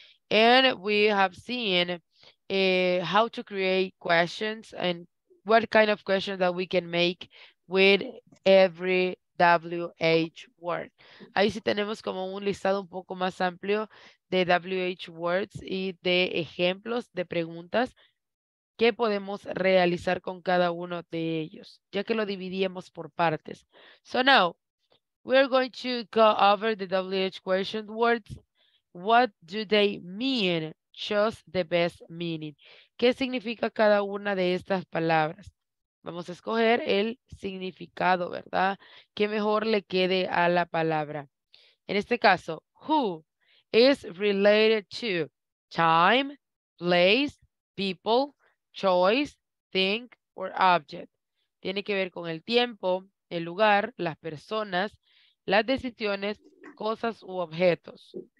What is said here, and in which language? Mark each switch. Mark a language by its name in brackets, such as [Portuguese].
[English] And we have seen how to create questions and what kind of questions that we can make with every WH word. [Spanish] Ahí sí tenemos como un listado un poco más amplio de WH words y de ejemplos de preguntas que podemos realizar con cada uno de ellos, ya que lo dividíamos por partes. [English] So now, we're going to go over the WH question words. What do they mean? Choose the best meaning. [Spanish] ¿Qué significa cada una de estas palabras? Vamos a escoger el significado, ¿verdad? ¿Qué mejor le quede a la palabra? En este caso, [English] who is related to time, place, people, choice, thing, or object. [Spanish] Tiene que ver con el tiempo, el lugar, las personas, las decisiones, cosas u objetos.